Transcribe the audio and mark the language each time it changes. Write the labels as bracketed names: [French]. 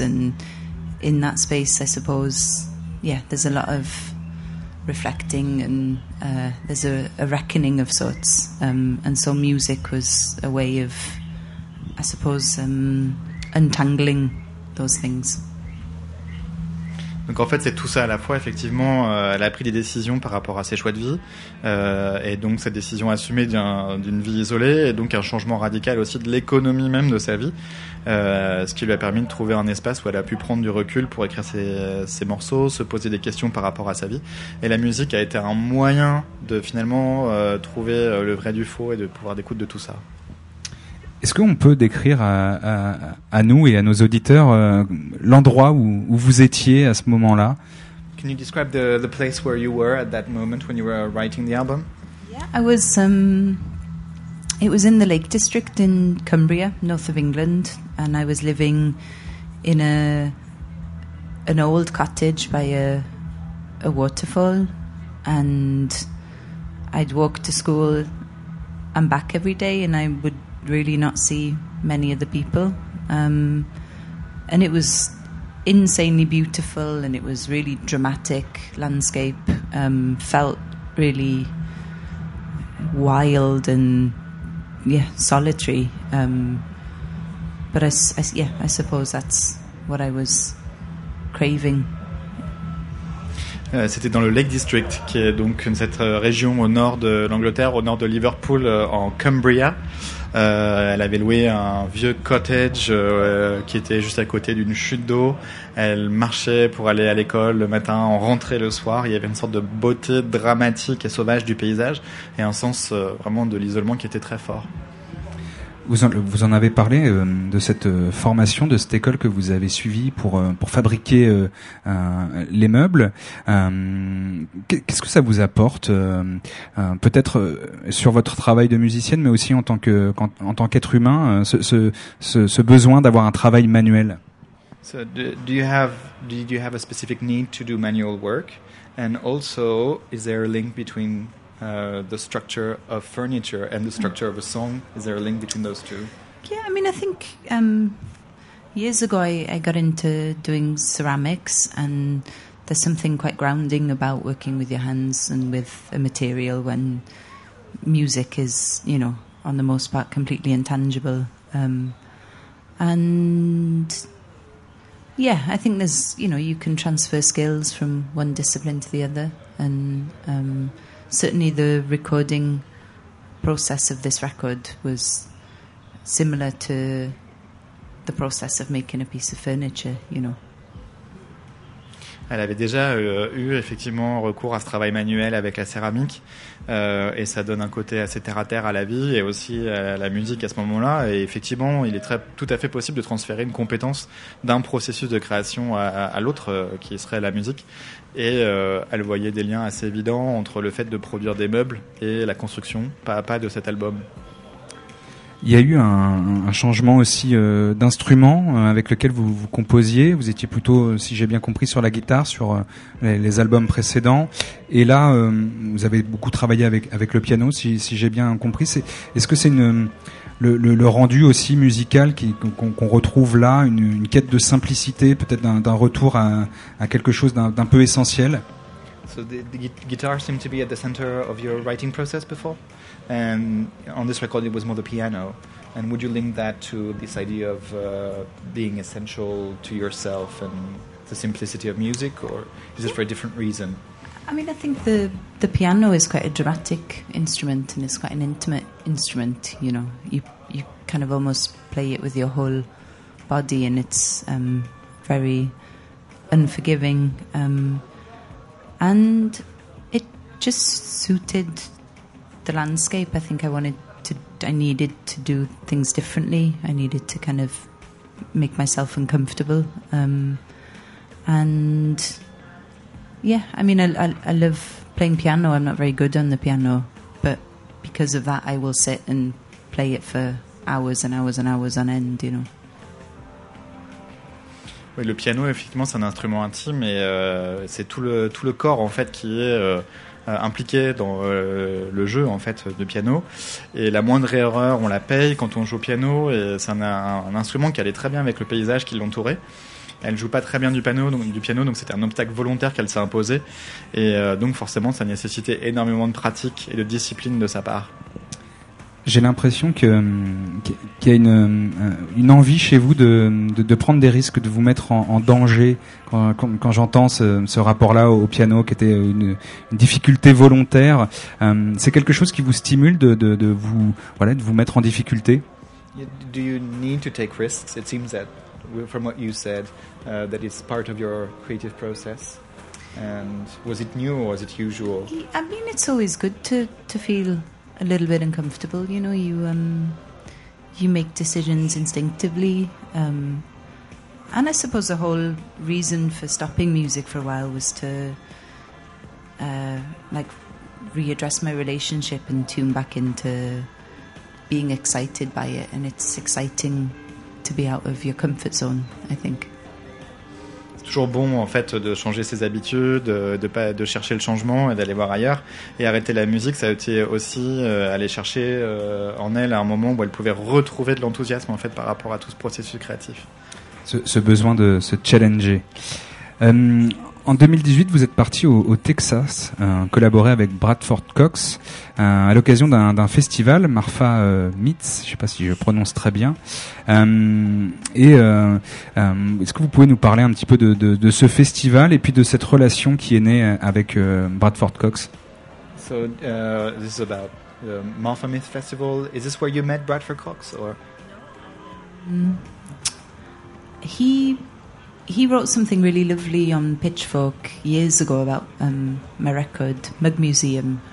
[English] And in that space, I suppose, yeah, there's a lot of reflecting, and there's a reckoning of sorts, and so music was a way of, I suppose, untangling those things. [French] Donc en fait, c'est tout ça à la fois. Effectivement, elle a pris des décisions par rapport à ses choix de vie, et donc cette décision assumée d'une vie isolée, et donc un changement radical aussi de l'économie même de sa vie, ce qui lui a permis de trouver un espace où elle a pu prendre du recul pour écrire ses morceaux, se poser des questions par rapport à sa vie. Et la musique a été un moyen de finalement trouver le vrai du faux et de pouvoir découvrir de tout ça. Est-ce qu'on peut décrire à nous et à nos auditeurs l'endroit où vous étiez à ce moment-là? [English] Can you describe the place where you were at that moment when you were writing the album? Yeah, I was. It was in the Lake District in Cumbria, north of England, and I was living in an old cottage by a waterfall, and I'd walk to school and back every day, and I would really not see many of the people, and it was insanely beautiful, and it was really dramatic landscape, felt really wild and solitary, but I suppose that's what I was craving. [French] C'était dans le Lake District, qui est donc cette région au nord de l'Angleterre, au nord de Liverpool, en Cumbria. Elle avait loué un vieux cottage qui était juste à côté d'une chute d'eau. Elle marchait pour aller à l'école le matin, en rentrait le soir. Il y avait une sorte de beauté dramatique et sauvage du paysage, et un sens vraiment de l'isolement qui était très fort. Vous en avez parlé de cette formation, de cette école que vous avez suivie pour fabriquer les meubles. Qu'est-ce que ça vous apporte, peut-être sur votre travail de musicienne, mais aussi en tant qu'être humain, ce besoin d'avoir un travail manuel? [English] So do you have a specific need to do manual work? And also, is there a link between the structure of furniture and the structure of a song? Is there a link between those two? Yeah, I mean, I think years ago I got into doing ceramics, and there's something quite grounding about working with your hands and with a material when music is, you know, on the most part completely intangible. And yeah, I think there's, you know, you can transfer skills from one discipline to the other, and certainly the recording process of this record was similar to the process of making a piece of furniture, you know. [French] Elle avait déjà eu effectivement recours à ce travail manuel avec la céramique, et ça donne un côté assez terre à terre à la vie et aussi à la musique à ce moment-là. Et effectivement, il est tout à fait possible de transférer une compétence d'un processus de création à l'autre, qui serait la musique. Et elle voyait des liens assez évidents entre le fait de produire des meubles et la construction pas à pas de cet album. Il y a eu un changement aussi d'instrument avec lequel vous vous composiez. Vous étiez plutôt, si j'ai bien compris, sur la guitare, sur les albums précédents. Et là, vous avez beaucoup travaillé avec le piano, si j'ai bien compris. Est-ce que c'est le rendu aussi musical qu'on retrouve là, une quête de simplicité, peut-être d'un retour à quelque chose d'un peu essentiel? [English] So the guitar seemed to be at the center of your writing process before, and on this record it was more the piano. And would you link that to this idea of being essential to yourself and the simplicity of music, or is it for a different reason? I mean, I think the piano is quite a dramatic instrument, and it's quite an intimate instrument. You know, you kind of almost play it with your whole body, and it's very unforgiving. And it just suited the landscape. I think I needed to do things differently. I needed to kind of make myself uncomfortable. And yeah, I mean, I love playing piano. I'm not very good on the piano, but because of that, I will sit and play it for hours and hours and hours on end, you know. [French] Oui, le piano, effectivement, c'est un instrument intime et c'est tout le corps, en fait, qui est impliqué dans le jeu, en fait, de piano. Et la moindre erreur, on la paye quand on joue au piano, et c'est un instrument qui allait très bien avec le paysage qui l'entourait. Elle joue pas très bien du piano, donc c'était un obstacle volontaire qu'elle s'est imposé. Et donc, forcément, ça nécessitait énormément de pratique et de discipline de sa part. J'ai l'impression qu'il y a une envie chez vous de prendre des risques, de vous mettre en danger. Quand j'entends ce rapport-là au piano, qui était une difficulté volontaire, c'est quelque chose qui vous stimule de vous mettre en difficulté. [English] Do you need to take risks? It seems that, from what you said, that it's part of your creative process. And was it new or was it usual? I mean, it's always good to feel a little bit uncomfortable, you know. You make decisions instinctively, and I suppose the whole reason for stopping music for a while was to readdress my relationship and tune back into being excited by it. And it's exciting to be out of your comfort zone, I think. [French] Toujours bon, en fait, de changer ses habitudes, de chercher le changement et d'aller voir ailleurs. Et arrêter la musique, ça a été aussi aller chercher en elle un moment où elle pouvait retrouver de l'enthousiasme, en fait, par rapport à tout ce processus créatif. Ce besoin de se challenger. En 2018, vous êtes parti au Texas, collaborer avec Bradford Cox, à l'occasion d'un festival, Marfa Meets, je sais pas si je prononce très bien. Est-ce que vous pouvez nous parler un petit peu de ce festival et puis de cette relation qui est née avec Bradford Cox? [English] So, this is about the Marfa Meets Festival. Is this where you met Bradford Cox, or? He wrote something really lovely on Pitchfork years ago about my record, Mug Museum.